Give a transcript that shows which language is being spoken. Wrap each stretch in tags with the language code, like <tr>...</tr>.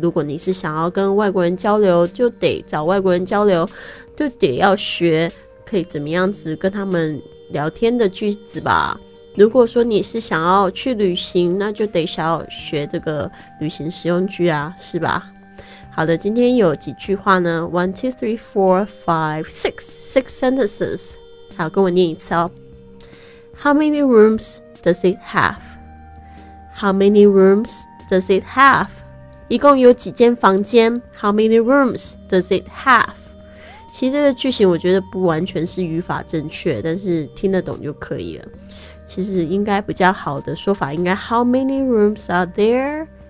<zh>如果你是想要跟外国人交流，就得找外国人交流，就得要学可以怎么样子跟他们聊天的句子吧。如果说你是想要去旅行，那就得想要学这个旅行实用句啊，是吧？好的，今天有几句话呢，</zh> <en>1, 2, 3, 4, 5, 6 sentences。</en> <zh>好，跟我念一次哦。</zh> <en>How many rooms does it haveHow many rooms does it have?</en> <zh>一共有几间房间？</zh> <en>How many rooms does it have?</en> <zh>其实这个句型我觉得不完全是语法正确，但是听得懂就可以了。其实应该比较好的说法应该</zh> <en>How many rooms are there?</en>